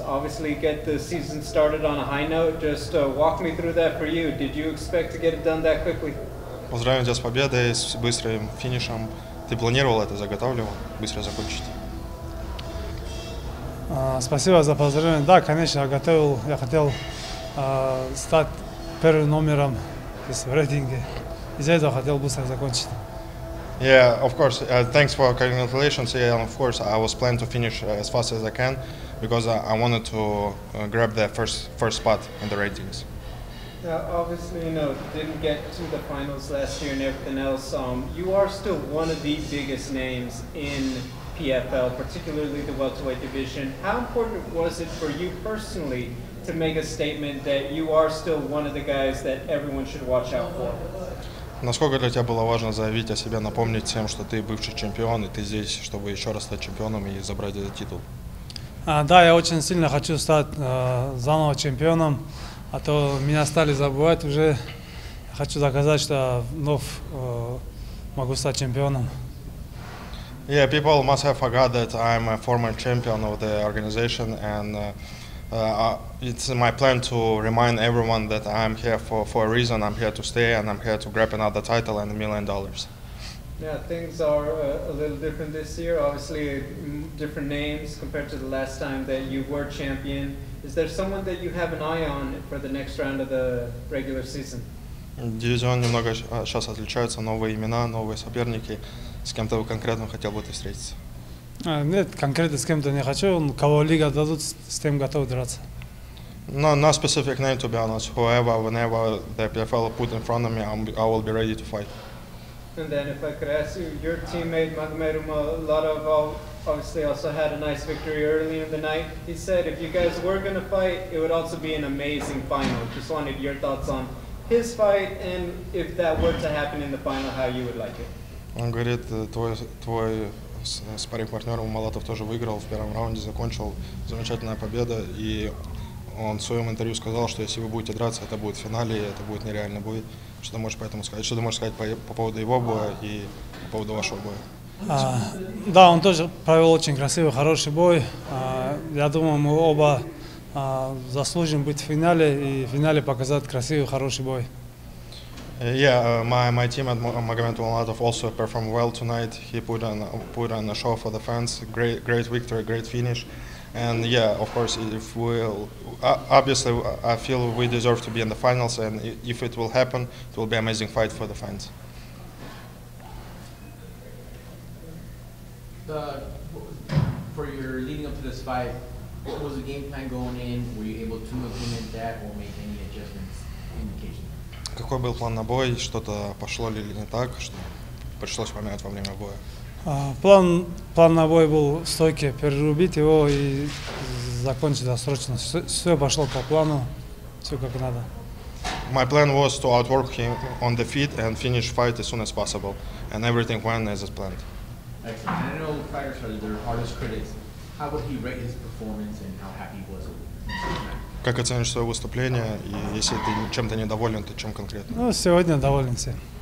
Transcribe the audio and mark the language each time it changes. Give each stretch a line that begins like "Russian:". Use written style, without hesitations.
English: Obviously get the season started on a high note. Just walk me through that for you. Did you expect to get it done that quickly?
Russian: Поздравляю тебя с победой, с быстрым финишем. Ты планировал это, заготавливал, быстро закончить? Спасибо за поздравление. Да, конечно, я готовил. Я хотел стать первым номером в рейтинге. Из-за этого хотел быстро закончить.
English: Yeah, of course. Thanks for congratulations. Yeah, of course. I was planning to finish as fast as I can because I wanted to grab the first spot in the ratings. Yeah, obviously, you know, didn't get to the finals last year and everything else. You are still one of the biggest names in PFL, particularly the welterweight division. How important was it for you personally to make a statement that you are still one of the guys that everyone should watch out for?
Russian: Насколько для тебя было важно заявить о себе, напомнить всем, что ты бывший чемпион, и ты здесь, чтобы еще раз стать чемпионом и забрать этот титул? Да, я очень сильно хочу стать заново чемпионом, а то меня стали забывать уже. Я хочу доказать, что вновь могу стать чемпионом.
English: Yeah, people must have forgot that I'm a former champion of the organization, and it's my plan to remind everyone that I'm here for a reason. I'm here to stay, and I'm here to grab another title and $1 million. Yeah, things are a little different this year. Obviously, different names compared to the last time that you were champion. Is there someone that you have an eye on for the next round of the regular season?
Russian: Дивизион немного сейчас отличается. Новые имена, новые соперники. С кем-то вы конкретно хотел бы встретиться? Нет, конкретно с кем-то не хочу. Кого лига дадут, с тем готов драться.
English: No, no specific name, to be honest. Whoever, whenever the PFL put in front of me, I will be ready to fight. And then if I could ask you, your teammate Magomed obviously also had a nice victory early in the night. He said if you guys were going to fight, it would also be an amazing final. Just wanted your thoughts on his fight and if that were to happen in the final, how you would like it.
Russian: Он говорит, твой спарринг-партнер Малатов тоже выиграл в первом раунде, закончил замечательная победа, и он в своем интервью сказал, что если вы будете драться, это будет в финале, это будет нереально бой. Что ты можешь по этому сказать? Что ты можешь сказать по поводу его боя и по поводу вашего боя? Да, он тоже провел очень красивый, хороший бой. Я думаю, мы оба заслужим быть в финале и в финале показать красивый, хороший бой.
English: Yeah, my teammate Magomed Magomedkerimov also performed well tonight. He put on a show for the fans. Great victory, great finish, and yeah, of course, if we'll obviously, I feel we deserve to be in the finals, and if it will happen, it will be an amazing fight for the fans. The for your leading up to this fight, what was the game plan going in? Were you able to implement that or make any adjustments?
Russian: Какой был план на бой? Что-то пошло ли не так, что пришлось поменять во время боя? План на бой был стойкий, перерубить его и закончить досрочно. Все пошло по плану, все как надо.
English: My plan was to outwork him on the feet and finish fight as soon as possible, and everything went as planned. Excellent. And I know fighters are their hardest critics. How would he rate his performance and how happy was it?
Russian: Как оценишь свое выступление, и если ты чем-то недоволен, то чем конкретно? Ну, сегодня доволен всем.